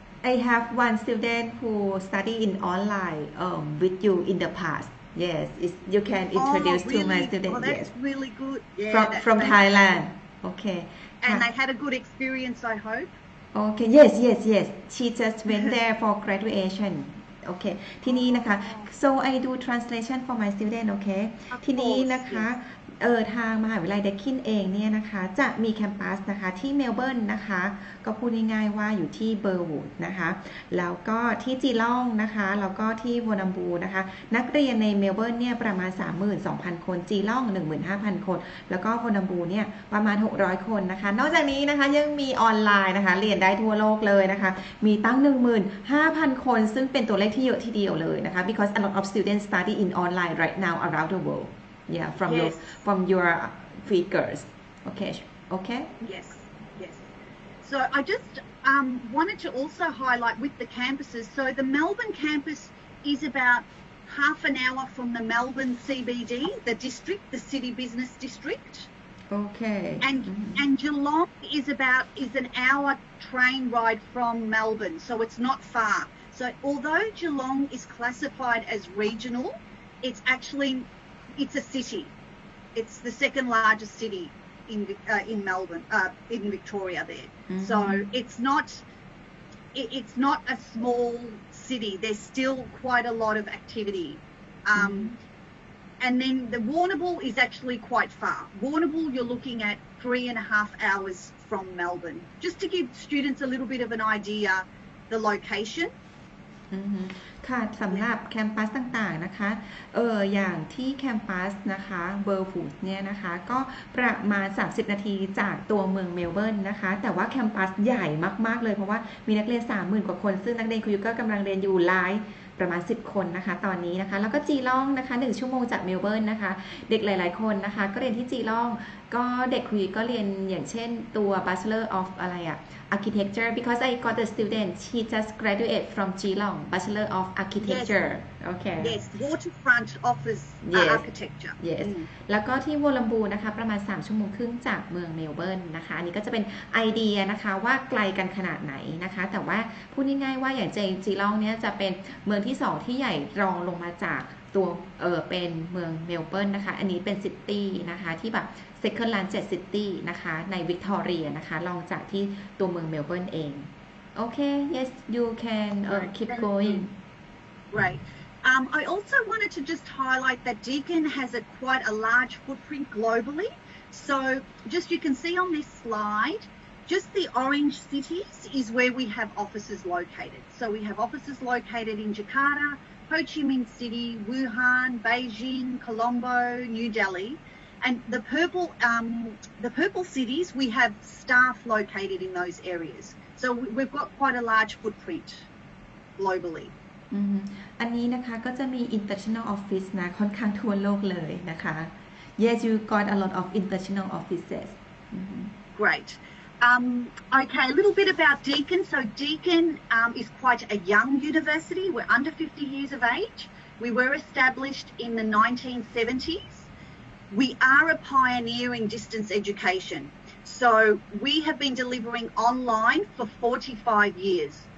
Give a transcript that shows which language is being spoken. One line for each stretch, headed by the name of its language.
English: I have one student who study in online with you in the past. Yes, you can introduce oh, really? To my student. Oh, that's yes. really good. Yeah, from Thailand. Okay. And they had a good experience, I hope. Okay. Yes. She just went there for graduation
Thai: okay ทีนี้นะคะ
English: so I do translation for my student
Thai: okay ทีนี้นะคะทางมหาวิทยาลัยเดคินเองเนี่ยนะคะจะมีแคมปัสนะคะที่เมลเบิร์นนะคะก็พูดง่ายๆว่าอยู่ที่เบอร์วูดนะคะ แล้วก็ที่จีล่องนะคะแล้วก็ที่วอนัมบูนะคะนักเรียนในเมลเบิร์นเนี่ยประมาณ 32,000 คนจีล่อง 15,000 คนแล้วก็วอนัมบูเนี่ยประมาณ600คนนะคะนอกจากนี้นะคะยังมีออนไลน์นะคะเรียนได้ทั่วโลกเลยนะคะมีตั้ง 15,000 คนซึ่งเป็นตัวเลขที่เยอะทีเดียวเลยนะคะ
English: because a lot of students study in online right now around the worldYeah, from yes. from your figures. Okay. Yes. So I just wanted to also highlight with the campuses. So the Melbourne campus is about half an hour from the Melbourne CBD, the district, the city business district. Okay. And mm-hmm. and Geelong is an hour train ride from Melbourne, so it's not far. So although Geelong is classified as regional, it's actually it's a city. It's the second largest city in Melbourne, in Victoria there. Mm-hmm. So it's not a small city. There's still quite a lot of activity. Mm-hmm. And then the Warrnambool is actually quite far. Warrnambool, you're looking at 3.5 hours from Melbourne. Just to give students a little bit of an idea, the location.
Thai: ค่ะสำหรับแคมปัสต่างๆนะคะอย่างที่แคมปัสนะคะเบอร์ฟูดเนี่ยนะคะก็ประมาณ30นาทีจากตัวเมืองเมลเบิร์นนะคะแต่ว่าแคมปัสใหญ่มากๆเลยเพราะว่ามีนักเรียน 30,000 กว่าคนซึ่งนักเรียนคุยก็กำลังเรียนอยู่หลาย ประมาณ10คนนะคะตอนนี้นะคะแล้วก็จีล่องนะคะ1ชั่วโมงจากเมลเบิร์นนะคะเด็กหลายๆคนนะคะก็เรียนที่จีล่องก็เด็กคุยก็เรียนอย่างเช่นตัว Bachelor of อะไรอะ Architecture
English: because I got the student she just graduated from Geelong Bachelor of Architecture yes. okay yes waterfront offers architecture yes mm.
Thai: แล้วก็ที่วอลลัมบูนะคะประมาณ3ชั่วโมงครึ่งจากเมืองเมลเบิร์นนะคะอันนี้ก็จะเป็นไอเดียนะคะว่าไกลกันขนาดไหนนะคะแต่ว่าพูดง่ายๆว่าอย่างจีล่องเนี่ยจะเป็นเมืองที่2ที่ใหญ่รองลงมาจากตัวเป็นเมืองเมลเบิร์นนะคะอันนี้เป็นซิตี้นะคะที่แบบเซคเคิลแลนด์7ซิตี้นะคะในวิกตอเรียนะคะรองจากที่ตัวเมืองเมลเบิร์นเองโอเค
English: yes you can keep going right I also wanted to just highlight that Deakin has a quite a large footprint globally so just you can see on this slide just the orange cities is where we have offices located so we have offices located in JakartaHo Chi Minh City, Wuhan, Beijing, Colombo, New Delhi, and the purple cities, we have staff located in those areas. So we've got quite a large footprint globally.
Thai: อันนี้นะคะก็จะมี international office นะค่อนข้างทั่วโลกเลยนะคะ
English: Yes, you got a lot of international offices. Mm-hmm. Great. Okay, a little bit about Deakin. So Deakin is quite a young university. We're under 50 years of age. We were established in the 1970s. We are a pioneer in distance education. So we have been delivering online for 45 years.